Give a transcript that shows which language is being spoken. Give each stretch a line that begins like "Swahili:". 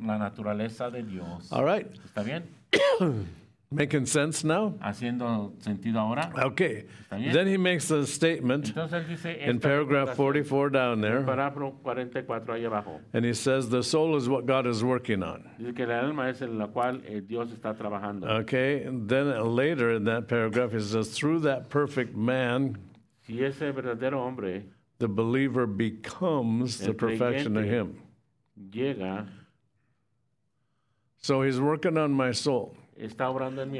Spanish: La naturaleza de Dios.
English: All right.
Spanish: ¿Está bien?
English: Making sense now?
Spanish: Haciendo sentido ahora.
English: Okay.
Spanish: ¿Está bien?
English: Then he makes a statement.
Spanish: Entonces, él dice
English: in paragraph 44 down there.
Spanish: Parágrafo 44 ahí abajo.
English: And he says the soul is what God is working on.
Spanish: Dice que el alma es en la cual Dios está trabajando.
English: Okay. And then later in that paragraph he says through that perfect man.
Spanish: Si ese verdadero hombre.
English: The believer becomes the perfection of him.
Spanish: Llega.
English: So he's working on my soul.
Spanish: Está obrando en mi